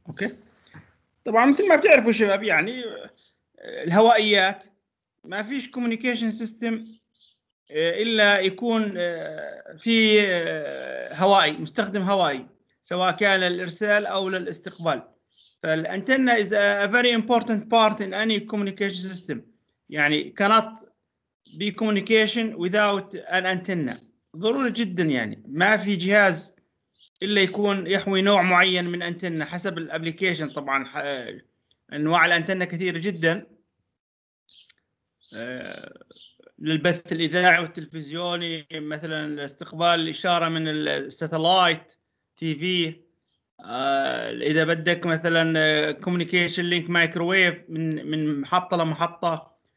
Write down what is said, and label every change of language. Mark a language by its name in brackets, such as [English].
[Arabic] اوكي، طبعا مثل ما بتعرفوا شباب، يعني الهوائيات ما فيش كوميونيكيشن سيستم الا يكون في هوائي، مستخدم هوائي، سواء كان للارسال او للاستقبال. [English] فالانتنة is a very important part in any communication system. يعني cannot be communication without an antenna. [Arabic] ضروري جدا، يعني ما في جهاز الا يكون يحوي نوع معين من انتنه حسب الابلكيشن. طبعا انواع الانتنه كثيره جدا للبث الاذاعي والتلفزيوني، مثلا لاستقبال الاشاره من الساتلايت تي في، اذا بدك مثلا كوميونيكيشن لينك مايكروويف من محطه لمحطه.